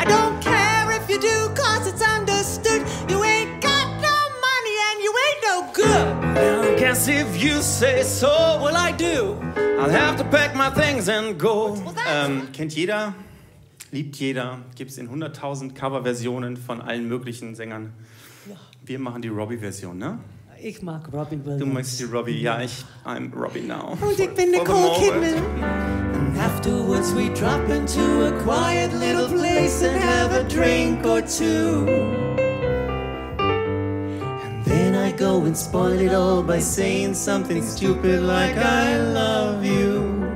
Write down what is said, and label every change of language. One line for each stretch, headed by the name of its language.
English: I don't care if you do, cause it's understood. You ain't got no money and you ain't no good. Well, I guess if you say so, well, I do. I'll have to pack my things and go.
German: Kennt jeder, liebt jeder, gibt's in 100.000 Coverversionen von allen möglichen Sängern. Ja. Wir machen die Robbie-Version, ne? Ich mag Robbie Williams. Du magst die Robbie, ja, ich,
English: I'm Robbie now.
German: Und ich bin Nicole Kidman.
English: Afterwards we drop into a quiet little place and have a drink or two. And then I go and spoil it all by saying something stupid like I love you.